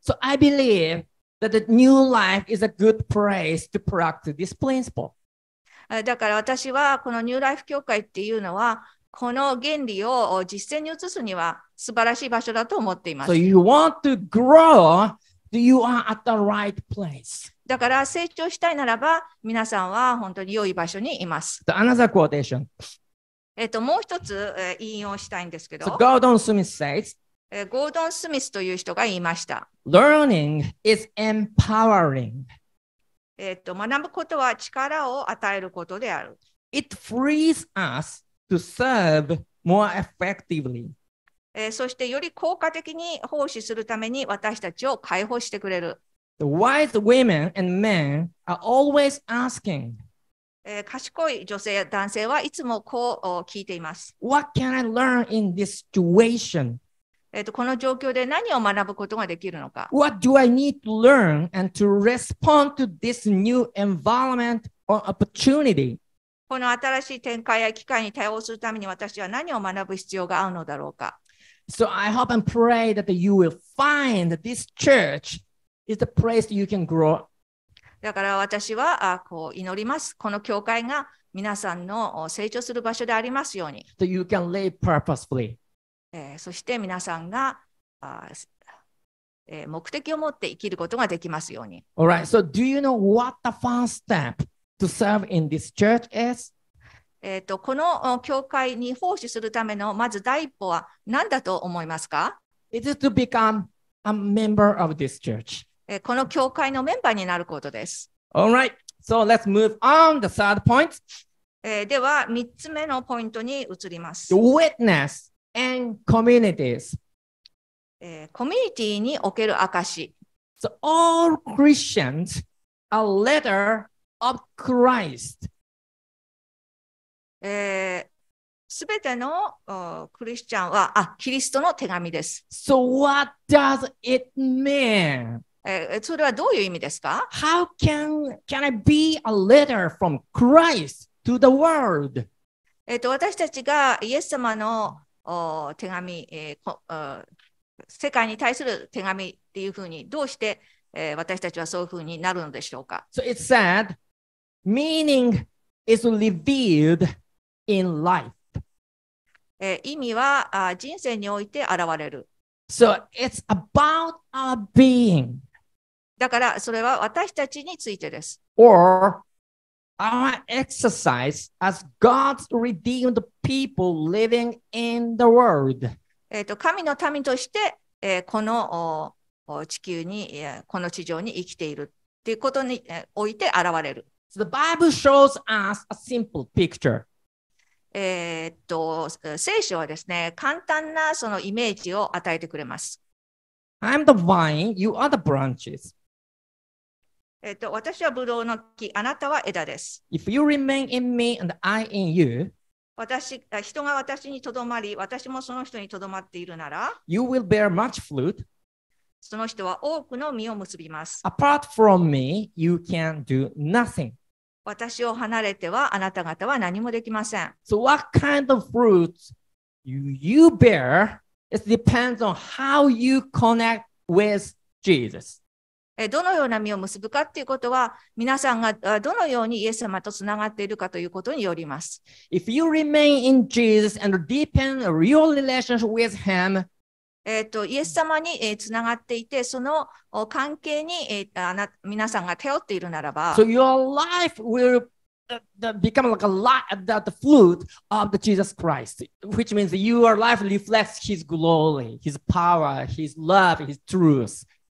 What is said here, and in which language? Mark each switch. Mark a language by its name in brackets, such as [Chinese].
[English] So I believe that the new life is a good place to practice this principle. [Japanese] だから私はこのニューライフ教会っていうのはこの原理を実践に移すには素晴らしい場所だと思っています。 [English] So you want to grow, you are at the right place. [Japanese] だから成長したいならば皆さんは本当に良い場所にいます。 [English] The another quotation. [Japanese] もう一つ引用したいんですけど。 [English] So Gordon Smith says, [Japanese] ゴードン・スミスという人が言いました。 [English] Learning is empowering. [Japanese] 学ぶことは力を与えることである。 [English] It frees us to serve more effectively. [Japanese] そしてより効果的に奉仕するために私たちを解放してくれる。 [English] The wise women and men are always asking. [Japanese] 賢い女性や男性はいつもこう聞いています。 [English] What can I learn in this situation? [Japanese] この状況で何を学ぶことができるのか。 [English] What do I need to learn and to respond to this new environment or opportunity? [Japanese] この新しい展開や機会に対応するために私は何を学ぶ必要があるのだろうか。 [English] So I hope and pray that you will find that this church is the place you can grow. [Japanese] だから私はこう祈ります。この教会が皆さんの成長する場所でありますように。 [English] So you can live purposefully. [Japanese] そして皆さんが目的を持って生きることができますように。 [English] All right. So do you know what the first step to serve in this church is? [Japanese] この教会に奉仕するためのまず第一歩は何だと思いますか? [English] It is to become a member of this church. [Japanese] この教会のメンバーになることです。 [English] All right. So let's move on the third point. [Japanese] では三つ目のポイントに移ります。 [English] The witness. And communities. [Japanese] コミュニティにおける証。 [English] So all Christians are letter of Christ. [Japanese] すべてのクリスチャンはキリストの手紙です。 [English] So what does it mean? [Japanese] それはどういう意味ですか? [English] How can I be a letter from Christ to the world? [Japanese] 私たちがイエス様の手紙、世界に対する手紙っていうふうにどうして、私たちはそういうふうになるのでしょうか。 [English] So it said, meaning is revealed in life. [Japanese] 意味は人生において現れる。 [English] So it's about our being. [Japanese] だからそれは私たちについてです。 [English] Or our exercise as God's redeemed people living in the world. [Japanese] 神の民として、この地球に、この地上に生きているっていうことに、において現れる。 [English] So、the Bible shows us a simple picture. [Japanese] 聖書はですね、簡単なそのイメージを与えてくれます。 [English] I'm the vine, you are the branches. [Japanese] 私はブドウの木、あなたは枝です。 [English] If you remain in me and I in you, [Japanese] 人が私にとどまり、私もその人にとどまっているなら、 [English] you will bear much fruit. [Japanese] その人は多くの実を結びます。 [English] Apart from me, you can do nothing. [Japanese] 私を離れてはあなた方は何もできません。 [English] So what kind of fruit you bear it depends on how you connect with Jesus. [Japanese] どのような実を結ぶかということは、皆さんがどのようにイエス様とつながっているかということによります。 [English] If you remain in Jesus and deepen your relationship with Him, [Japanese] イエス様につながっていて、その関係に皆さんが頼っているならば、 [English] So your life will become like a light of the fruit of the Jesus Christ, which means that your life reflects His glory, His power, His love, His truth.